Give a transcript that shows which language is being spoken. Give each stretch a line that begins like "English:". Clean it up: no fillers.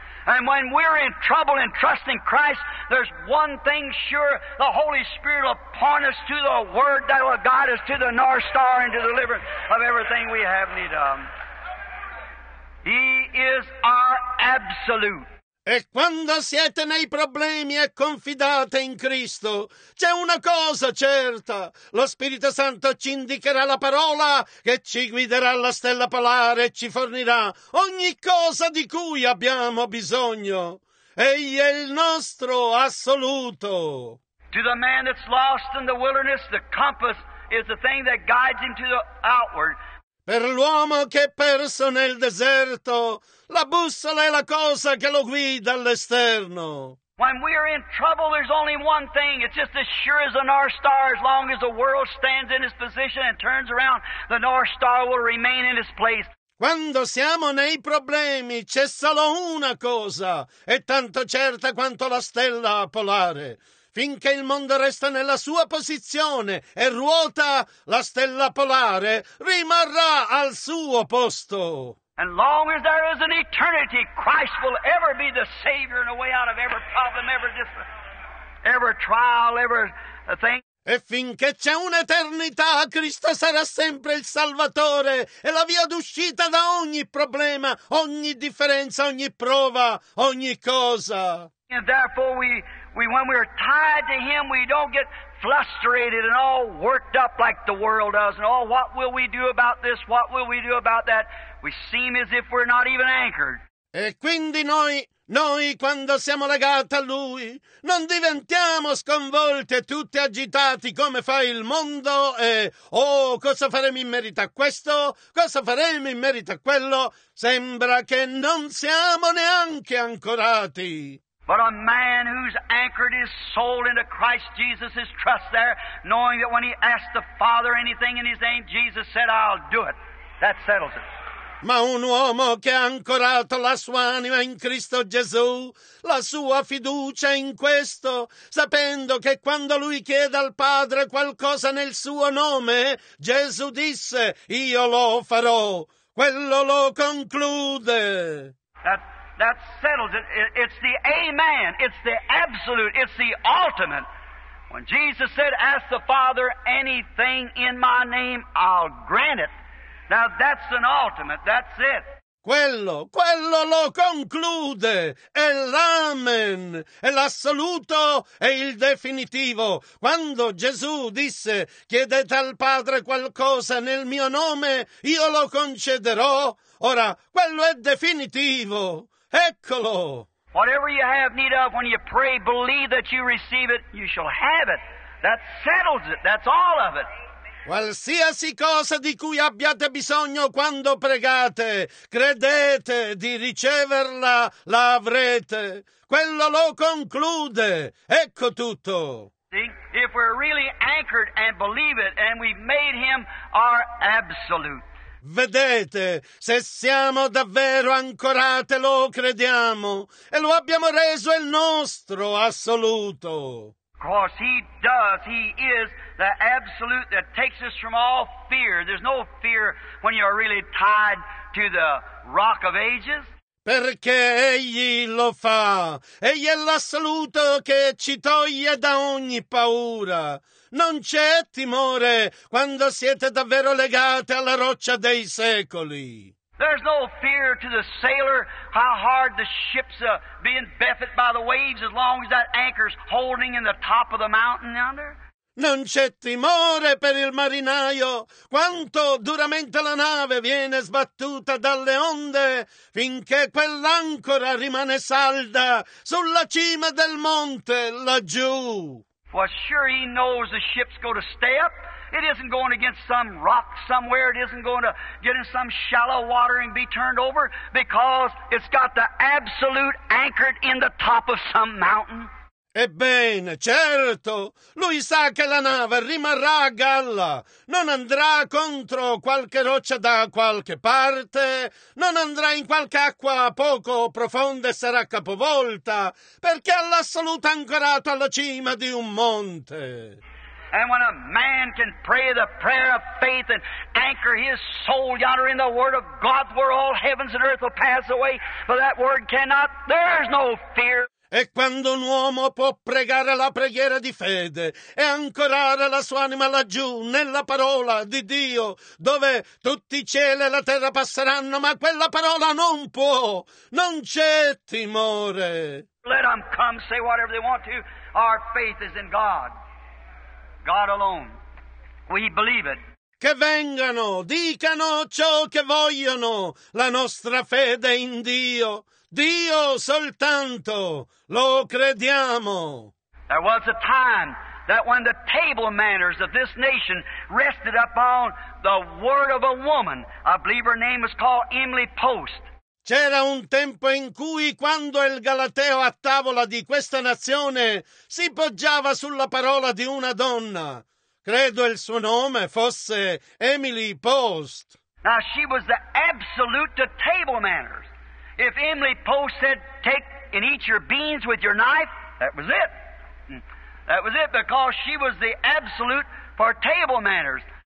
English: And when we're in trouble and trusting Christ, there's one thing sure, the Holy Spirit will point us to the Word that will guide us to the North Star and to the deliverance of everything we have need of. He is our absolute.
Italian: E quando siete nei problemi e confidate in Cristo, c'è una cosa certa. Lo Spirito Santo ci indicherà la parola che ci guiderà alla stella polare e ci fornirà ogni cosa di cui abbiamo bisogno. Egli è il nostro assoluto.
English: To the man that's lost in the wilderness, the compass is the thing that guides him to the outward.
Italian: Per l'uomo che è perso nel deserto, la bussola è la cosa che lo guida all'esterno.
English: When we are in trouble, there's only one thing. It's just as sure as the North Star, as long as the world stands in its position and turns around, the North Star will remain in its place.
Italian: Quando siamo nei problemi, c'è solo una cosa, è tanto certa quanto la stella polare. Finché il mondo resta nella sua posizione e ruota, la stella polare rimarrà al suo posto.
English: And long as there is an eternity, Christ will ever be the Savior and a way out of every problem, every trial, every thing.
Italian: E finché c'è un'eternità, Cristo sarà sempre il Salvatore e la via d'uscita da ogni problema, ogni differenza, ogni prova, ogni cosa.
English: And therefore when we are tied to him, we don't get frustrated and all worked up like the world does. And oh, what will we do about this? What will we do about that? We seem as if we're not even anchored.
Italian: E quindi noi quando siamo legati a lui, non diventiamo sconvolti e tutti agitati come fa il mondo e oh, cosa faremo in merito a questo? Cosa faremo in merito a quello? Sembra che non siamo neanche ancorati.
English: But a man who's anchored his soul into Christ Jesus, his trust there, knowing that when he asked the Father anything in his name, Jesus said, I'll do it. That settles it.
Italian: Ma un uomo che ha ancorato la sua anima in Cristo Gesù, la sua fiducia in questo, sapendo che quando lui chiede al Padre qualcosa nel suo nome, Gesù disse, io lo farò. Quello lo conclude.
English: That settles it. It's the amen. It's the absolute. It's the ultimate. When Jesus said, ask the Father anything in my name, I'll grant it. Now that's an ultimate. That's it.
Italian: Quello lo conclude. È l'amen. È l'assoluto e il definitivo. Quando Gesù disse, chiedete al Padre qualcosa nel mio nome, io lo concederò. Ora, quello è definitivo. Eccolo.
English: Whatever you have need of when you pray, believe that you receive it, you shall have it. That settles it. That's all of it.
Italian: Qualsiasi cosa di cui abbiate bisogno quando pregate, credete di riceverla, la avrete. Quello lo conclude. Ecco tutto.
English: See, if we're really anchored and believe it and we've made him our absolute.
Italian: Vedete, se siamo davvero ancorate, lo crediamo e lo abbiamo reso il nostro assoluto.
English: Because he does, he is the absolute that takes us from all fear. There's no fear when you're really tied to the rock of ages.
Italian: Perché egli lo fa. Egli è l'assoluto che ci toglie da ogni paura. Non c'è timore quando siete davvero legati alla roccia dei secoli.
English: There's no fear to the sailor how hard the ship's being buffeted by the waves as long as that anchor's holding in the top of the mountain yonder.
Italian: Non c'è timore per il marinaio quanto duramente la nave viene sbattuta dalle onde finché quell'ancora rimane salda sulla cima del monte laggiù.
English: Well, sure he knows the ship's going to stay up. It isn't going against some rock somewhere. It isn't going to get in some shallow water and be turned over because it's got the absolute anchored in the top of some mountain.
Italian: Ebbene, certo, lui sa che la nave rimarrà a galla, non andrà contro qualche roccia da qualche parte, non andrà in qualche acqua poco profonda e sarà capovolta, perché è l'assoluto ancorato alla cima di un monte.
English: And when a man can pray the prayer of faith and anchor his soul yonder in the word of God where all heavens and earth will pass away, but that word cannot, there's no fear.
Italian: E quando un uomo può pregare la preghiera di fede e ancorare la sua anima laggiù nella parola di Dio, dove tutti i cieli e la terra passeranno, ma quella parola non può, non c'è timore.
English: Let them come, say whatever they want to. Our faith is in God. God alone. We believe it.
Italian: Che vengano, dicano ciò che vogliono, la nostra fede in Dio. Dio soltanto, lo crediamo.
English: There was a time that when the table manners of this nation rested upon the word of a woman, I believe her name was called Emily Post.
Italian: C'era un tempo in cui quando il Galateo a tavola di questa nazione si poggiava sulla parola di una donna. Credo il suo nome fosse Emily Post.
English: Now she was the absolute to table manners. If Emily Post said, take and eat your beans with your knife, that was it. That was it, because she was the absolute for table manners.